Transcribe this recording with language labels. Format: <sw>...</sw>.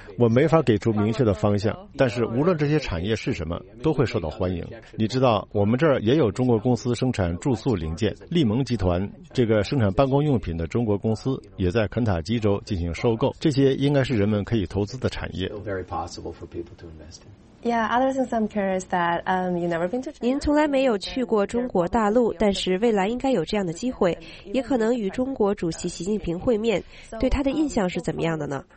<zh>我没法给出明确的方向，但是无论这些产业是什么，都会受到欢迎。你知道，我们这儿也有中国公司生产住宿零件，利盟集团这个生产办公用品的中国公司也在肯塔基州进行收购，这些应该是人们可以投资的产业。</zh> <en>Yeah, other things I'm curious that you never been to China.</en> <zh>您从来没有去过中国大陆，但是未来应该有这样的机会，也可能与中国主席习近平会面。对他的印象是怎么样的呢</zh>